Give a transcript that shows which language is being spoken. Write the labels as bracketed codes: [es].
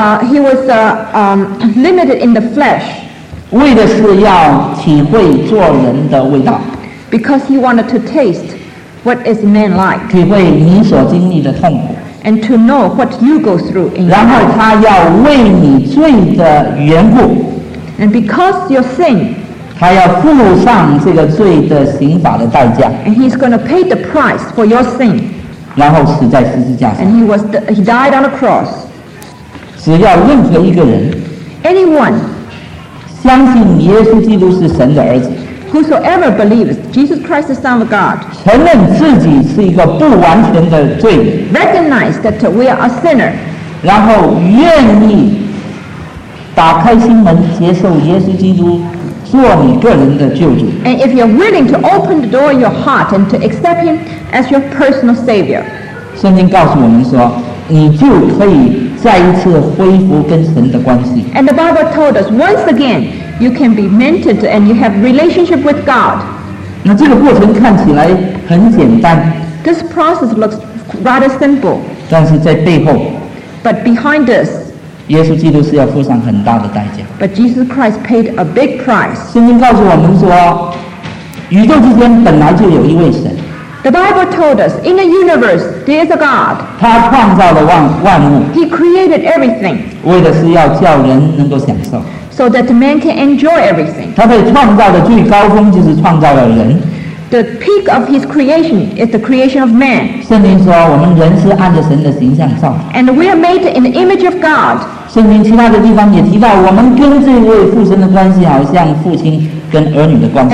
[en] He was limited in the flesh [zh] 为的是要体会做人的味道 [en] Because he wanted to taste what is man like [zh] 体会你所经历的痛苦 [en] And to know what you go through in [zh] 然后他要为你罪的缘故 [en] And because your sin [zh] 他要付上这个罪的刑罚的代价 [en] And he's going to pay the price for your sin [zh] 然后死在十字架上 [en] And he died on a cross [zh] 只要任何一个人 [en] Anyone [zh] 相信耶稣基督是神的儿子 [en] Whosoever believes Jesus Christ is the Son of God [zh] 承认自己是一个不完全的罪 [en] Recognize that we are a sinner [zh] 然后愿意打开心门接受耶稣基督做你个人的救主。 [en] And if you're willing to open the door of your heart and to accept him as your personal savior. [zh] 圣经告诉我们说，你就可以再一次恢复跟神的关系。 [en] And the Bible told us, once again, you can be mended and you have relationship with God. [zh] 那这个过程看起来很简单。 [en] This process looks rather simple. [zh] 但是在背后。 [en] But behind this, [zh] 耶稣基督是要付上很大的代价。 [en] But Jesus Christ paid a big price. [zh] 圣经告诉我们说，宇宙之间本来就有一位神。 [en] The Bible told us, in the universe, there is a God. [zh] 他创造了万物。 [en] He created everything. [zh] 为的是要叫人能够享受。 [en] So that man can enjoy everything. [zh] 他被创造的最高峰就是创造了人。 [en] The peak of his creation is the creation of man. [zh] 圣经说我们人是按着神的形象造。 [en] And we are made in the image of God. [zh] 圣经其他的地方也提到我们跟这位父神的关系好像父亲跟儿女的关系。